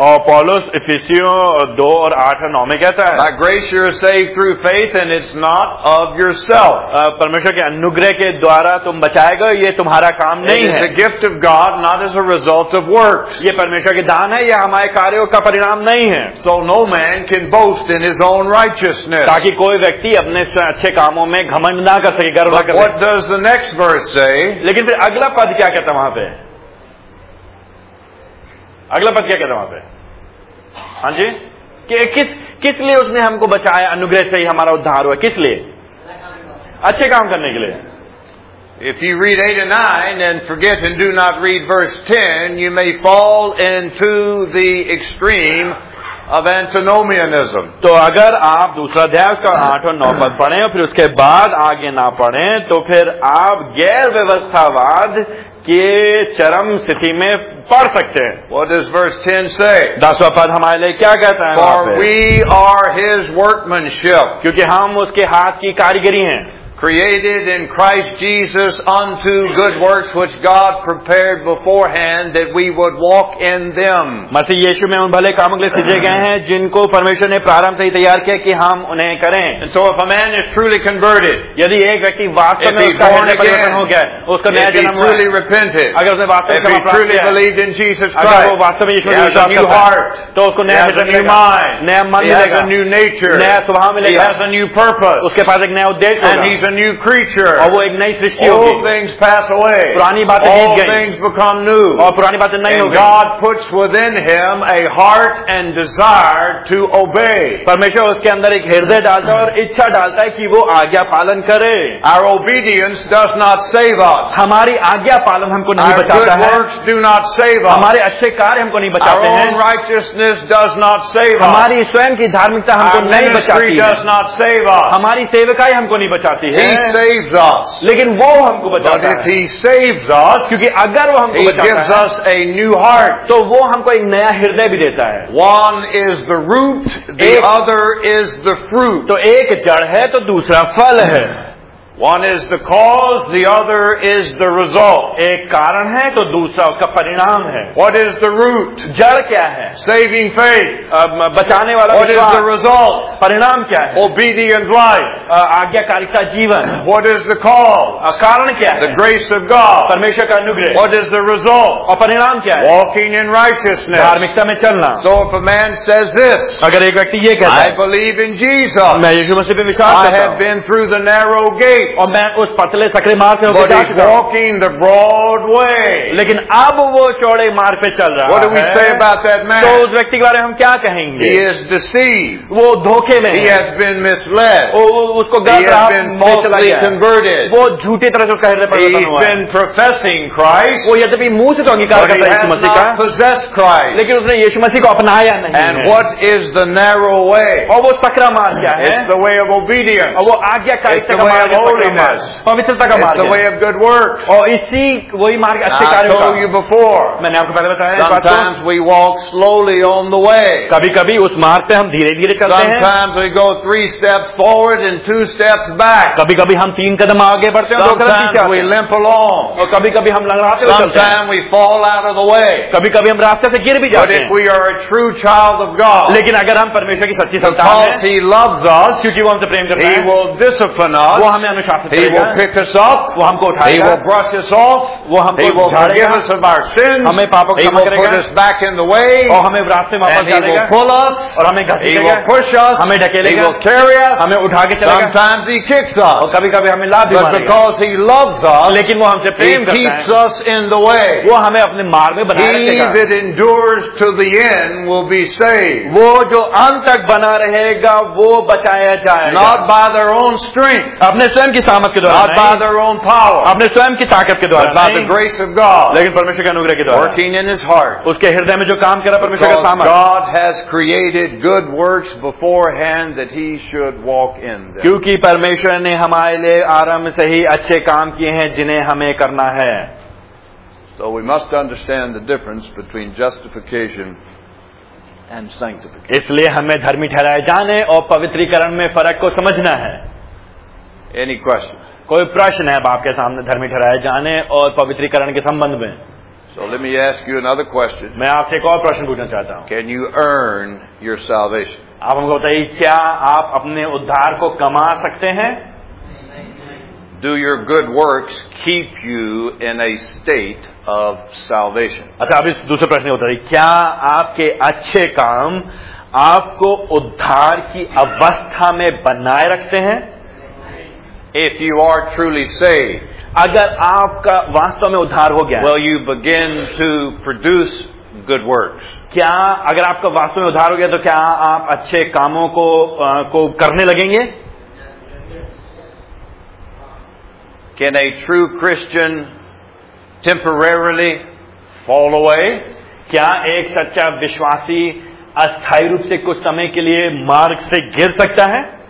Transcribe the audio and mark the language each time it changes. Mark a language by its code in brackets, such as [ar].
[hi] और पौलुस इफिसियों 2:8-9 में कहता है, [en] By grace you are saved through faith and it's not of yourself. [hi] परमेश्वर के अनुग्रह के द्वारा तुम बचाए गए, ये तुम्हारा काम नहीं. [en] It's a gift of God, not as a result of works. [hi] ये परमेश्वर के दान है, ये हमारे कार्यों का परिणाम नहीं है. [en] So no man can boast in his own righteousness. [hi] ताकि कोई व्यक्ति अपने अच्छे कामों में घमंड ना कर सके, गर्व ना कर सके. [en] What does the next verse say? [hi] लेकिन फिर अगला पद क्या कहता वहां पे? अगला पद क्या कहता वहां पे? हाँ जी, कि किस लिए उसने हमको बचाया, अनुग्रह से ही हमारा उद्धार हुआ, किस लिए? अच्छे काम करने के लिए. [en] If you read 8 and 9 and forget and do not read verse 10, you may fall into the extreme of antinomianism. [hi] तो अगर आप दूसरा अध्याय का 8 और 9 पद पढ़ें और फिर उसके बाद आगे ना पढ़ें तो फिर आप गैर व्यवस्थावाद के चरम स्थिति में पढ़ सकते हैं. [en] What does verse 10 say? [hi] दसवां पद हमारे लिए क्या कहता है? [en] For we are his workmanship. [hi] क्योंकि हम उसके हाथ की कारीगरी हैं. [en] Created in Christ Jesus unto good works which God prepared beforehand that we would walk in them. [hi] मसीह यीशु में उन भले कामों के लिए सिजे गए हैं जिनको परमेश्वर ने प्रारंभ से ही तैयार किया कि हम उन्हें करें. [en] And so if a man is truly converted, [hi] यदि एक व्यक्ति वास्तव में उसका हृदय परिवर्तन हो गया, उसका नया जन्म हुआ, अगर उसने वास्तव में क्षमा प्राप्त किया, अगर वो वास्तव में यीशु में विश्वास करता है, तो उसको नया जन्म मिलेगा, नया मन मिलेगा, [en] new nature, [hi] नया स्वभाव मिलेगा, [en] has a new purpose, [hi] उसके पास एक नया उद्देश्य होगा. [en] A new creature. [hi] और वो एक नई सृष्टि होगी. [en] Old things pass away. [hi] पुरानी बातें बीत गईं. [en] Old things become new. [hi] और पुरानी बातें नई हो गईं. [en] God puts within him a heart and desire to obey. [hi] परमेश्वर उसके अंदर एक हृदय डालता है और इच्छा डालता है कि वो आज्ञा पालन करे. [en] Our obedience does not save us. [hi] हमारी आज्ञा पालन हमको नहीं बचाता है. [en] Our good works do not save us. [hi] हमारे अच्छे कार्य हमको नहीं बचाते हैं. [en] Our own righteousness does not save us. [hi] हमारी स्वयं की धार्मिकता हमको नहीं बचाती है. [en] Our ministry does not save us. [hi] हमारी सेवकाई हमको नहीं बचाती है. [en] He saves us. [hi] लेकिन वो हमको बचाता है. [en] But if he saves us, [hi] क्योंकि अगर वो हमको [en] he gives us a new heart. [hi] तो वो हमको एक नया हृदय भी देता है. [en] One is the root, the other is the fruit. [hi] तो एक जड़ है तो दूसरा फल है. [en] One is the cause, the other is the result. [hi] एक कारण है तो दूसरा उसका परिणाम है. [en] What is the root? [hi] जड़ क्या है? [en] Saving faith. [hi] बचाने वाला विश्वास. [en] What is the result? [hi] परिणाम क्या है? [en] Obedient life. [hi] आज्ञाकारिता जीवन. [en] What is the cause? [hi] कारण क्या है? [en] The grace of God. [hi] परमेश्वर का अनुग्रह. [en] What is the result? [hi] और परिणाम क्या है? [en] Walking in righteousness. [hi] धार्मिकता में चलना. [en] So if a man says this, [hi] अगर एक व्यक्ति ये कहता है, [en] I believe in Jesus. [hi] मैं यीशु मसीह पे विश्वास करता हूं. [en] I have been through the narrow gate. [hi] और मैं उस पतले सकरे मार्ग से होकर जा चुका हूं. [en] The broad way. [hi] लेकिन अब वो चौड़े मार्ग पे चल रहा [en] What [hi] है. [en] Do we say about that man? [hi] तो उस व्यक्ति के बारे में हम क्या कहेंगे? [en] He is deceived. [hi] वो धोखे में [en] He [hi] है. [en] Has been misled. [hi] उसको गलत राह पे चला गया. [en] Converted. [hi] वो झूठी तरह से उसका हृदय परिवर्तन हुआ. [en] He's been professing Christ. [hi] वो यद्यपि मुंह से तो अंगीकार करता है यीशु मसीह का, [en] possess Christ. [hi] लेकिन उसने यीशु मसीह को अपनाया नहीं. [en] And what is the narrow way? [hi] और वो सकरा मार्ग क्या है? [en] It's the way of obedience. [hi] और वो आज्ञाकारिता का मार्ग. [en] Holiness. It's the way of good works. [hi] और इसी वही मार्ग अच्छे कार्यों का. [en] I told you before. [hi] मैंने आपको पहले बताया. [en] Sometimes we walk slowly on the way. [hi] कभी-कभी उस मार्ग पे हम धीरे-धीरे चलते हैं. [en] Sometimes we go 3 steps forward and 2 steps back. [hi] कभी-कभी हम 3 कदम आगे बढ़ते हैं और 2 कदम पीछे. [en] Sometimes we limp along. [hi] और कभी-कभी हम लंगड़ाते चलते हैं. [en] Sometimes we fall out of the way. [hi] कभी-कभी हम रास्ते से गिर भी जाते हैं. [en] But if we are a true child of God. [hi] लेकिन अगर हम परमेश्वर की सच्ची संतान हैं. [en] Because He loves us. [hi] क्योंकि वो हमसे प्रेम करता है. [en] He will discipline us. [hi] हमें हमें शासित करेगा वो हमको उठाएगा he will brush us off वो हमको झाड़ेगा हमें पापों को क्षमा करेगा [en] he will put us back in the way [hi] और हमें रास्ते में वापस डालेगा [en] he will pull us [hi] और हमें घसीटेगा [en] he will push us [hi] हमें ढकेलेगा [en] he will carry us [hi] हमें उठा के चलेगा [en] sometimes he kicks us [hi] और कभी-कभी हमें लात भी मारेगा [en] but because he loves us [hi] लेकिन वो हमसे प्रेम करता है [en] he keeps us in the way [hi] वो हमें अपने मार्ग में बनाए रखेगा [en] he that endures to the end will be saved [hi] वो जो अंत तक बना रहेगा वो बचाया जाएगा [en] not by their own strength [hi] अपने स्वयं की सामर्थ्य के द्वारा [en] not by their own power [hi] अपने स्वयं की ताकत के द्वारा [en] by the grace of God [hi] लेकिन परमेश्वर के अनुग्रह के द्वारा [en] working in his heart [hi] उसके हृदय में जो काम कर रहा परमेश्वर का सामर्थ्य [en] God has created good works beforehand that he should walk in them [hi] क्योंकि परमेश्वर ने हमारे लिए आरंभ से ही अच्छे काम किए हैं जिन्हें हमें करना है [en] so we must understand the difference between justification and sanctification [hi] इसलिए हमें धर्मी ठहराए जाने और पवित्रीकरण में फर्क को समझना है [en] any question [hi] कोई प्रश्न है बाप के सामने धर्मी ठहराए जाने और पवित्रीकरण के संबंध में [en] so let me ask you another question [hi] मैं आपसे एक और प्रश्न पूछना चाहता हूं [en] can you earn your salvation [hi] आप हमको बताइए क्या आप अपने उद्धार को कमा सकते हैं [en] Do your good works keep you in a state of salvation? [hi] अच्छा अब इस दूसरे प्रश्न उत्तर है क्या आपके अच्छे काम आपको उद्धार की अवस्था में बनाए रखते हैं? [en] If you are truly saved, [hi] अगर आपका वास्तव में उद्धार हो गया, [en] will you begin to produce good works? [hi] क्या अगर आपका वास्तव में उद्धार हो गया तो क्या आप अच्छे कामों को करने लगेंगे? [en] Can a true Christian temporarily fall away? [hi] क्या एक सच्चा विश्वासी अस्थायी रूप से कुछ समय के लिए मार्ग से गिर सकता है?